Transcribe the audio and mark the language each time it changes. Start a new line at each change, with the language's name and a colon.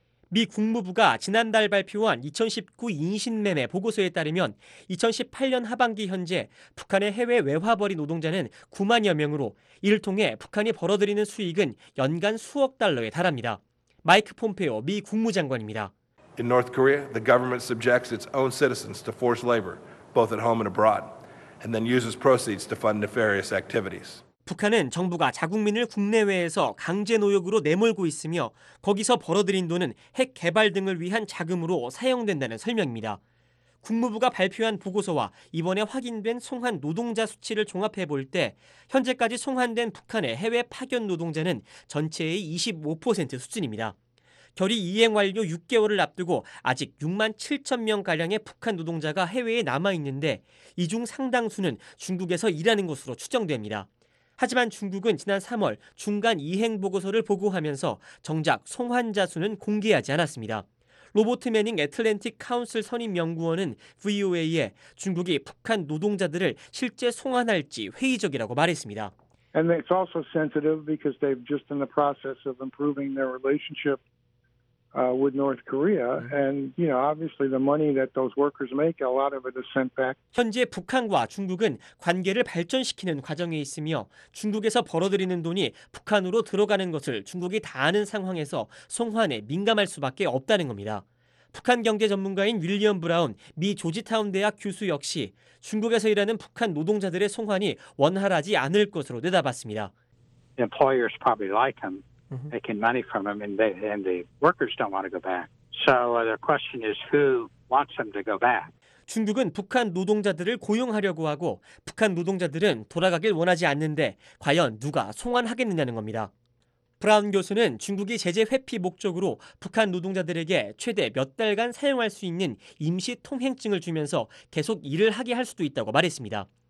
Korean: 미 국무부가 지난달 발표한 2019 인신매매 보고서에 따르면 2018년 하반기 현재 북한의 해외 외화벌이 노동자는 9만여 명으로 이를 통해 북한이 벌어들이는 수익은 연간 수억 달러에 달합니다. 마이크 폼페오 미 국무장관입니다.
English: In North Korea, the government subjects its own citizens to forced labor, both at home and abroad, and then uses proceeds to fund nefarious activities.
Korean: 북한은 정부가 자국민을 국내외에서 강제 노역으로 내몰고 있으며 거기서 벌어들인 돈은 핵 개발 등을 위한 자금으로 사용된다는 설명입니다. 국무부가 발표한 보고서와 이번에 확인된 송환 노동자 수치를 종합해 볼 때 현재까지 송환된 북한의 해외 파견 노동자는 전체의 25% 수준입니다. 결의 이행 완료 6개월을 앞두고 아직 6만 7천 명가량의 북한 노동자가 해외에 남아있는데 이 중 상당수는 중국에서 일하는 것으로 추정됩니다. 하지만 중국은 지난 3월 중간 이행 보고서를 보고하면서 정작 송환자 수는 공개하지 않았습니다. 로버트 매닝 애틀랜틱 카운슬 선임 연구원은 VOA에 중국이 북한 노동자들을 실제 송환할지 회의적이라고 말했습니다.
English: And it's also sensitive because they've just in the process of improving their relationship with North Korea and you know obviously the money that those workers make a lot of it is sent back.
Korean: 현재 북한과 중국은 관계를 발전시키는 과정에 있으며 중국에서 벌어들이는 돈이 북한으로 들어가는 것을 중국이 다 아는 상황에서 송환에 민감할 수밖에 없다는 겁니다. 북한 경제 전문가인 윌리엄 브라운 미 조지타운 대학 교수 역시 중국에서 일하는 북한 노동자들의 송환이 원활하지 않을 것으로 내다봤습니다.
English: The employers probably like him. They can money from them, and the workers don't want to go back. So the question is, who wants them to go back?
Korean: 중국은 북한 노동자들을 고용하려고 하고 북한 노동자들은 돌아가길 원하지 않는데 과연 누가 송환하겠느냐는 겁니다. 브라운 교수는 중국이 제재 회피 목적으로 북한 노동자들에게 최대 몇 달간 사용할 수 있는 임시 통행증을 주면서 계속 일을 하게 할 수도 있다고 말했습니다.